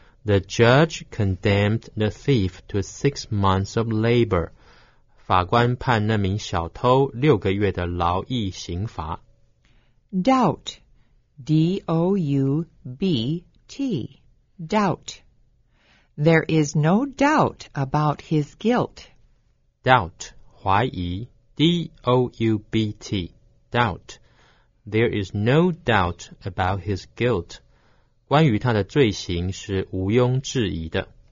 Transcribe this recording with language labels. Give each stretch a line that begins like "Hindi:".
English: The judge condemned the thief to 6 months of labor.
Chinese: 法官判那名小偷六个月的劳役刑罚。
English: Doubt. D-O-U-B-T. Doubt. There is no doubt about his guilt. Doubt.
Chinese: 怀疑。
English: D-O-U-B-T. Doubt. There is no doubt about his guilt.
Chinese: 关于他的罪行是毋庸置疑的。